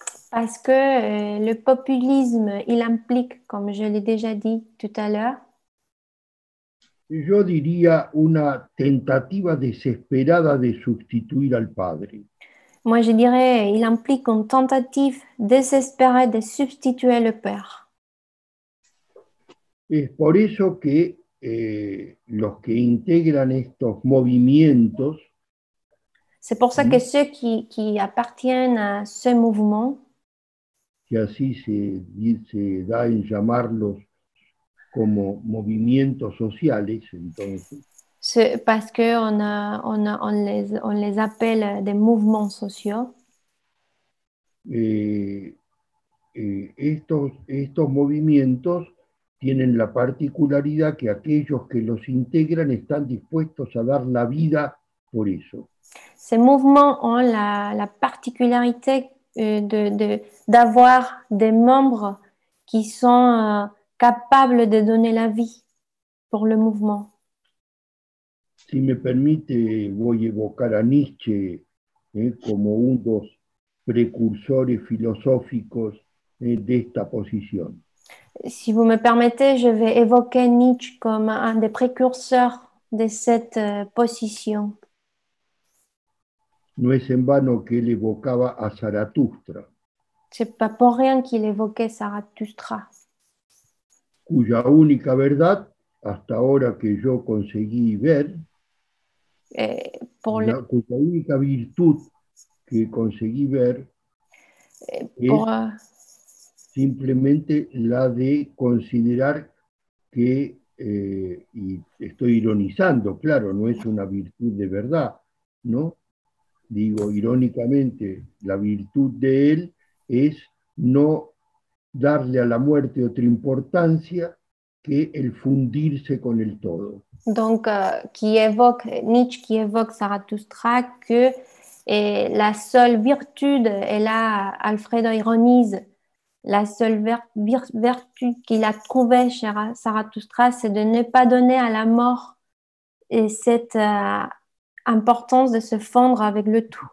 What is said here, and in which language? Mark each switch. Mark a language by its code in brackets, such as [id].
[fr] Parce que le populisme, il implique, comme je l'ai déjà dit tout à l'heure. [es] Yo diría una tentativa desesperada de sustituir al padre. [fr] Moi, je dirais, il implique une tentative désespérée de substituer le père. [es] Es por eso que los que integran estos movimientos. [fr] C'est pour ça que ceux qui appartiennent à ce mouvement. [es] Que así se da en llamarlos. Como movimientos sociales, entonces. [fr] Parce que on les appelle des mouvements sociaux. [es] Estos movimientos tienen la particularidad que aquellos que los integran están dispuestos a dar la vida por eso. [fr] Ces mouvements ont la particularité d'avoir des membres qui sont capable de donner la vie pour le mouvement. [es] Si me permite, voy a evocar a Nietzsche como uno de los precursores filosóficos de esta posición. [fr] Si vous me permettez, je vais évoquer Nietzsche comme un des précurseurs de cette position. [es] No es en vano que él evocaba a Zaratustra, [fr] Ce n'est pas pour rien qu'il évoquait Zarathustra. [es] cuya única verdad, hasta ahora que yo conseguí ver, cuya única virtud que conseguí ver es simplemente la de considerar que, y estoy ironizando, claro, no es una virtud de verdad, ¿no? Digo, irónicamente, la virtud de él es no darle a la muerte otra importancia que el fundirse con el todo. [fr] Donc, qui évoque Nietzsche, qui évoque Zarathustra, que la seule virtude, et là Alfredo ironise, la seule vertu qu'il a trouvée chez Zarathustra, c'est de ne pas donner à la mort et cette importance de se fondre avec le tout,